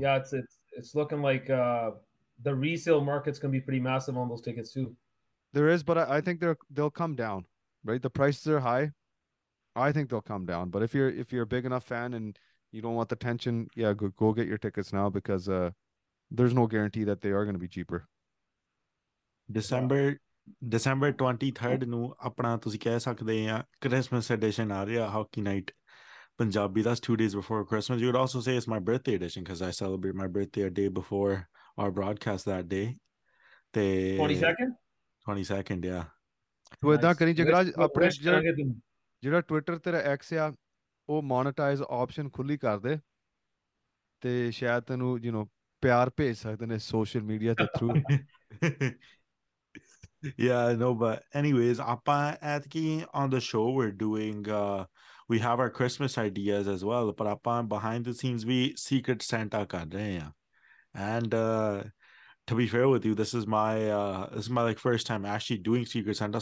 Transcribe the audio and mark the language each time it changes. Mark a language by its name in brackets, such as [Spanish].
[English] yeah, it's looking like the resale market's gonna be pretty massive on those tickets too. There is, but I think they'll come down, right? The prices are high. I think they'll come down. But if you're a big enough fan and you don't want the tension, yeah, go get your tickets now because there's no guarantee that they are gonna be cheaper. December. December 23rd [Punjabi] ਨੂੰ ਆਪਣਾ ਤੁਸੀਂ ਕਹਿ ਸਕਦੇ ਆ Christmas edition ਆ ਰਿਹਾ hockey night Punjabi ਦਾ [English] 2 days before Christmas you would also say it's my birthday edition because I celebrate my birthday a day before our broadcast that day ਤੇ 22nd ਯਾ [Punjabi] ਤੂੰ ਇਦਾਂ ਕਰੀ ਜਗਰਾਜ ਆਪਣੇ ਜਿਹੜਾ ਟਵਿੱਟਰ ਤੇਰਾ ਐਕਸ ਆ ਉਹ ਮੋਨੇਟਾਈਜ਼ ਆਪਸ਼ਨ ਖੁੱਲੀ ਕਰ ਦੇ ਤੇ ਸ਼ਾਇਦ ਤੈਨੂੰ ਯੂ نو ਪਿਆਰ ਭੇਜ ਸਕਦੇ ਨੇ ਸੋਸ਼ਲ ਮੀਡੀਆ ਦੇ through [English] Yeah, no, but anyways, on the show, we're doing, we have our Christmas ideas as well, but behind the scenes, we secret Santa [Hindi] kar rahe hain. [English] And to be fair with you, this is my like first time actually doing secret Santa.